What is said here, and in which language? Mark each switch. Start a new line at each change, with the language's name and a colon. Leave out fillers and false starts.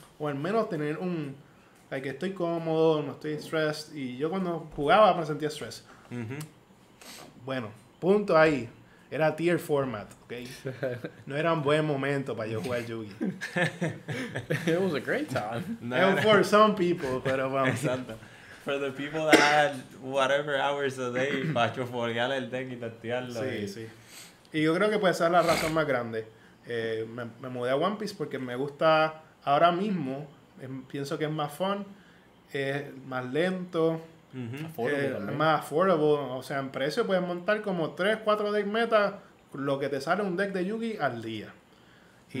Spanish: O al menos tener un... que estoy cómodo, no estoy stressed. Y yo cuando jugaba me sentía stress. Uh-huh. Bueno, punto ahí. Era tier format, ¿ok? No era un buen momento para yo jugar Yugi.
English: It was a great time. No. For some people,
Spanish: pero vamos. Exacto.
English: For the people that had whatever hours a day
Spanish: para chuforear el deck y tantearlo. Sí. Y yo creo que puede ser la razón más grande. Me mudé a One Piece porque me gusta ahora mismo. Pienso que es más fun. Más lento. Uh-huh. Es más affordable, o sea, en precio puedes montar como 3, 4 deck meta, lo que te sale un deck de Yugi al día. Uh-huh.